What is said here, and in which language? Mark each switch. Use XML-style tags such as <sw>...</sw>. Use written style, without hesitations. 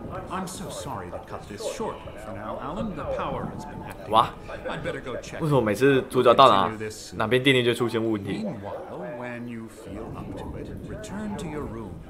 <en>I'm so sorry to cut this short for now, Alan. The power has been acting. 哇，I'd better go check.</en> <zh>为什么每次主角到哪边电力就出现问题？</zh> <en>Meanwhile, when you feel up to it, return to your room.</en>